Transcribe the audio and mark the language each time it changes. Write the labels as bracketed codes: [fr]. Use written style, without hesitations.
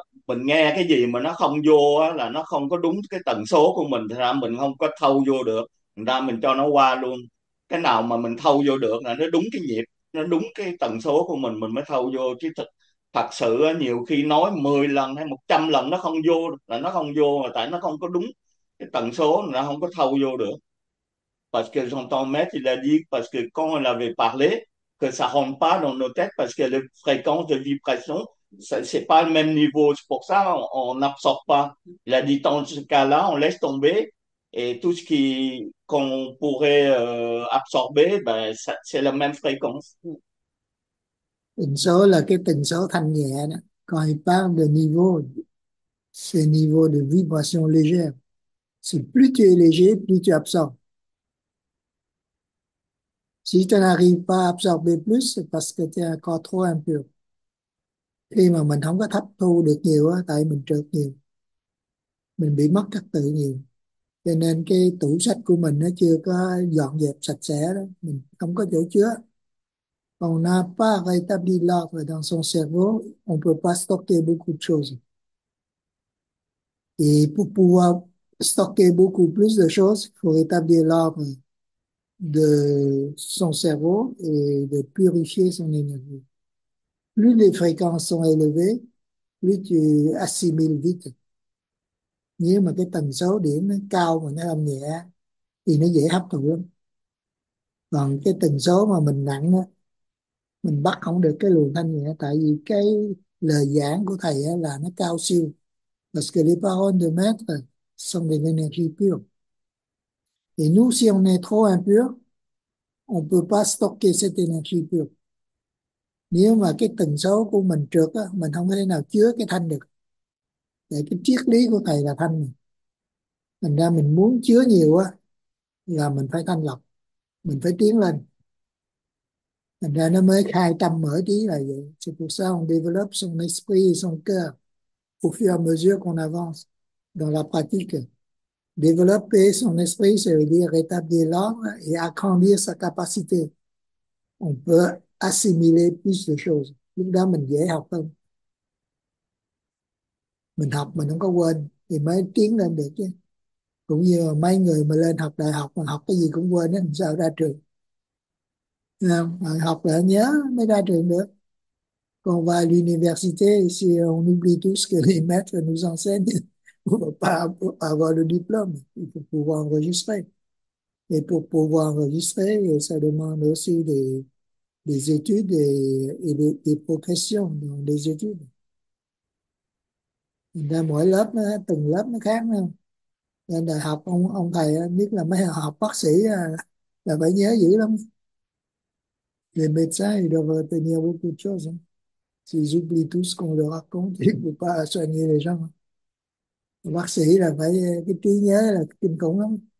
[vi] mình nghe cái gì mà nó không vô á, là nó không có đúng cái tần số của mình, thì ra mình không có thâu vô được, thành ra mình cho nó qua luôn. Cái nào mà mình thâu vô được là nó đúng cái nhịp, nó đúng cái tần số của mình mới thâu vô. Chứ thật sự á, nhiều khi nói 10 lần hay 100 lần nó không vô là nó không vô, mà tại nó không có đúng cái tần số, nó không có thâu vô được. [fr] Parce que j'entends mettre la vie, parce que quand on avait parlé, que ça rentre pas dans nos têtes, parce que les fréquences de vibration, c'est pas le même niveau, c'est pour ça on n'absorbe pas. Il a dit dans ce cas-là, on laisse tomber, et tout ce qu'on pourrait absorber, ben, c'est la même fréquence. [vi] Tần số là cái tần số thanh nhẹ đó. [fr] Quand il parle de niveau, c'est niveau de vibration légère. C'est plus tu es léger, plus tu absorbes. Si tu n'arrives pas à absorber plus, c'est parce que tu es encore trop impur. [vi] Khi mà mình không có hấp thu được nhiều á, tại mình trượt nhiều. Mình bị mất trật tự nhiều. Cho nên cái tủ sách của mình nó chưa có dọn dẹp sạch sẽ đó. Mình không có chỗ chứa. [fr] On n'a pas rétabli l'ordre dans son cerveau, on ne peut pas stocker beaucoup de choses. Et pour pouvoir stocker beaucoup plus de choses, il faut rétablir l'ordre de son cerveau et de purifier son énergie. Plus les fréquences sont élevées, plus tu assimiles vite. [vi] Nhưng mà cái tần số điện nó cao mà nó âm nhẹ thì nó dễ hấp thụ lắm. Còn cái tần số mà mình nặng á, mình bắt không được cái luồng thanh nhẹ, tại vì cái lời giảng của thầy ấy là nó cao siêu. [fr] Parce que les paroles de maître sont de l'énergie pure. Et nous, si on est trop impur, on ne peut pas stocker cette énergie pure. [vi] Nếu mà cái tần số của mình trượt, ấy, mình không thể nào chứa cái thanh được. Tại cái triết lý của thầy là thanh. Thành ra mình muốn chứa nhiều á, là mình phải thanh lọc, mình phải tiến lên. Thành ra nó mới khai tâm mở trí là vậy. [fr] C'est pour ça qu'on développe son esprit et son cœur au fur et à mesure qu'on avance dans la pratique. Développer son esprit, ça veut dire rétablir l'ordre et agrandir sa capacité. On peut assimiler plus de choses. [vi] Lúc đó mình dễ học hơn. Mình học mình không có quên thì mới tiến lên được chứ. Cũng như mấy người mà lên học đại học mà học cái gì cũng quên, làm sao ra trường. Học là nhớ mới ra trường được. [fr] Còn on va à l'université, si on oublie tout ce que les maîtres nous enseignent, on ne va pas avoir le diplôme. Il faut pouvoir enregistrer. Et pour pouvoir enregistrer, ça demande aussi des études et des progressions dans les études. [vi] Là mỗi lớp, từng lớp nó khác nhau. Nên đại học, ông thầy, nhất là mấy học bác sĩ, là phải nhớ dữ lắm. [fr] Les médecins, ils doivent retenir beaucoup de choses. Hein. S'ils oublient tout ce qu'on leur raconte, ils ne peuvent pas soigner les gens. [vi] Les bác sĩ, là phải, cái trí nhớ là kinh khủng lắm.